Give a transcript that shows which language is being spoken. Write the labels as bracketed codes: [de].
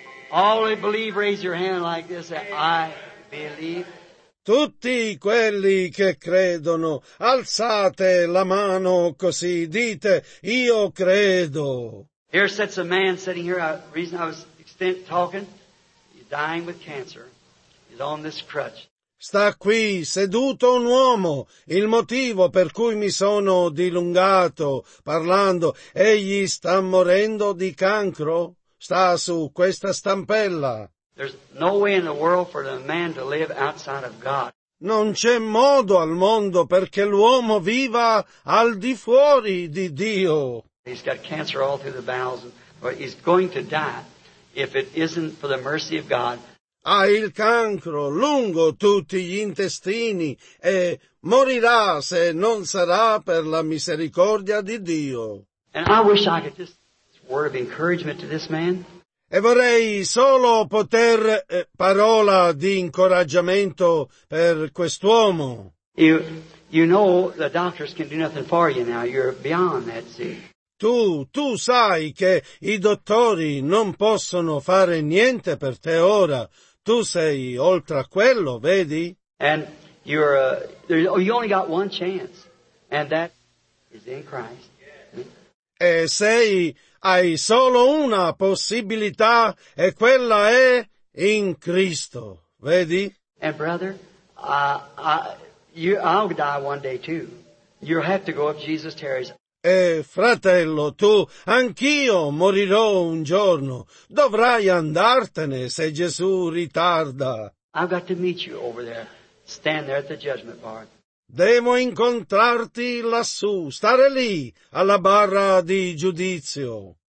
[en] All I believe, raise your hand like this. I believe. [it] Tutti quelli che credono, alzate la mano così, dite, io credo. [en] Here sits a man sitting here, the reason I was talking, he's dying with cancer, he's on this crutch. [it] Sta qui seduto un uomo, il motivo per cui mi sono dilungato parlando, egli sta morendo di cancro, sta su questa stampella. [en] There's no way in the world for the man to live outside of God. [it] Non c'è modo al mondo perché l'uomo viva al di fuori di Dio. [en] He's got cancer all through the bowels, but he's going to die if it isn't for the mercy of God. [it] Ha il cancro lungo tutti gli intestini e morirà se non sarà per la misericordia di Dio. [en] And I wish I could just word of encouragement to this man. [it] E vorrei solo poter parola di incoraggiamento per quest'uomo. [en] You know the doctors can do nothing for you now. You're beyond that, see. [it] Tu sai che i dottori non possono fare niente per te ora. Tu sei oltre a quello, vedi? [en] And you only got one chance, and that is in Christ. [it] E sei... Hai solo una possibilità e quella è in Cristo, vedi? [en] And brother, I'll die one day too. You'll have to go if Jesus tarries. [it] E fratello, tu, anch'io morirò un giorno. Dovrai andartene se Gesù ritarda. [en] I've got to meet you over there. Stand there at the judgment bar. [it] Devo incontrarti lassù, stare lì, alla barra di giudizio.